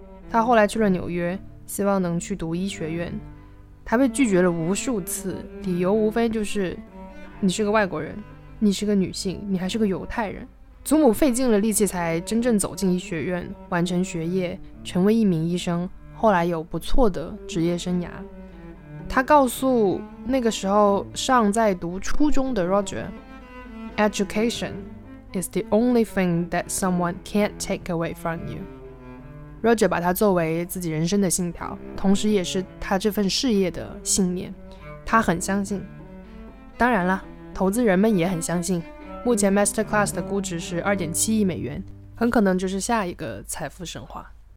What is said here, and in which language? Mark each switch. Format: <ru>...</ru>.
<zh>他后来去了纽约，希望能去读医学院，他被拒绝了无数次，理由无非就是你是个外国人，你是个女性，你还是个犹太人。祖母费尽了力气才真正走进医学院，完成学业，成为一名医生，后来有不错的职业生涯。他告诉那个时候尚在读初中的</zh> <en>Roger， Education is the only thing that someone can't take away from you.</en> <zh>Roger 把它作为自己人生的信条，同时也是他这份事业的信念。他很相信。当然了，投资人们也很相信。目前 MasterClass 的估值是 2.7 亿美元，很可能就是下一个财富神话。</zh>